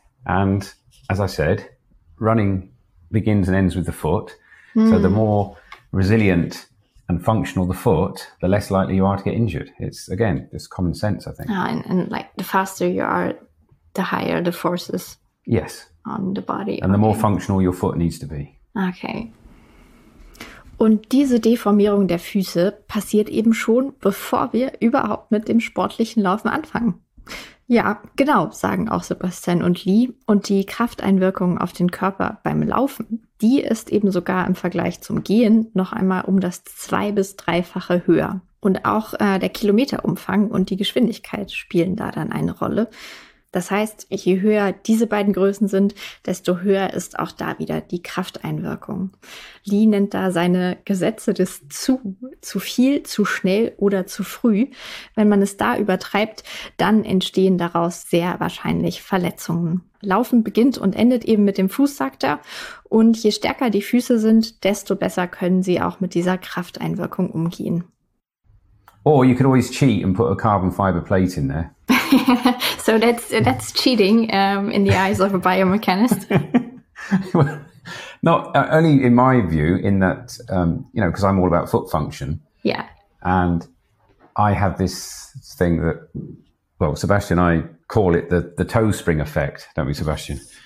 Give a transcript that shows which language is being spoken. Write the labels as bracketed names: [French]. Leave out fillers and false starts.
[English] And as I said, running begins and ends with the foot. Mm. So the more resilient and functional the foot, the less likely you are to get injured. It's, again, just common sense, I think. And like the faster you are, the higher the forces. Yes. On the body. And the more functional your foot needs to be. Okay. [German] Und diese Deformierung der Füße passiert eben schon, bevor wir überhaupt mit dem sportlichen Laufen anfangen. Ja, genau, sagen auch Sebastian und Lee. Und die Krafteinwirkung auf den Körper beim Laufen, die ist eben sogar im Vergleich zum Gehen noch einmal um das 2- bis 3-fache höher. Und auch der Kilometerumfang und die Geschwindigkeit spielen da dann eine Rolle. Das heißt, je höher diese beiden Größen sind, desto höher ist auch da wieder die Krafteinwirkung. Lee nennt da seine Gesetze des zu viel, zu schnell oder zu früh. Wenn man es da übertreibt, dann entstehen daraus sehr wahrscheinlich Verletzungen. Laufen beginnt und endet eben mit dem Fuß, sagt er. Und je stärker die Füße sind, desto besser können sie auch mit dieser Krafteinwirkung umgehen. [English] Or you could always cheat and put a carbon fiber plate in there. So that's cheating in the eyes of a biomechanist. Not only in my view, in that, you know, because I'm all about foot function. Yeah. And I have this thing that, well, Sebastian, I call it the toe spring effect, don't we, Sebastian?